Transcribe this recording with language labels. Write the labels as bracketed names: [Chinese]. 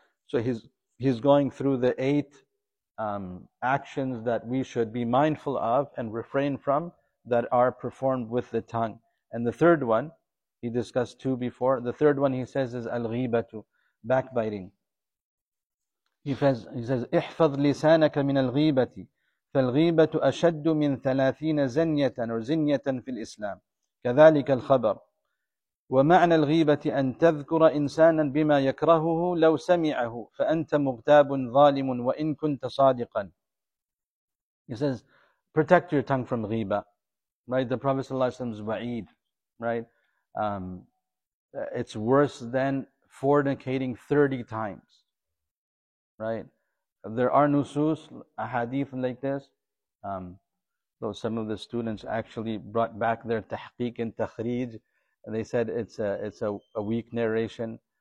[English] So he's going through the eight actions that we should be mindful of and refrain from that are performed with the tongue. And the third one, he discussed two before. The third one he says is al-ghibatu, backbiting. He says, [Arabic] احفظ لسانك من الغيبة فالغيبة أشد من ثلاثين زنية أو زنية في الإسلام كذلك الخبر ومعنى الغيبة أن تذكر إنسانا بما يكرهه لو سمعه فأنت مغتاب ظالم وإن كنت صادقا. [English] He says, protect your tongue from ghiba. Right, the Prophet صلى الله عليه وسلم is wa'id, right? It's worse than fornicating 30 times, right? There are nusus, a hadith like this, though some of the students actually brought back their tahqiq and takhrij, and they said it's a weak narration.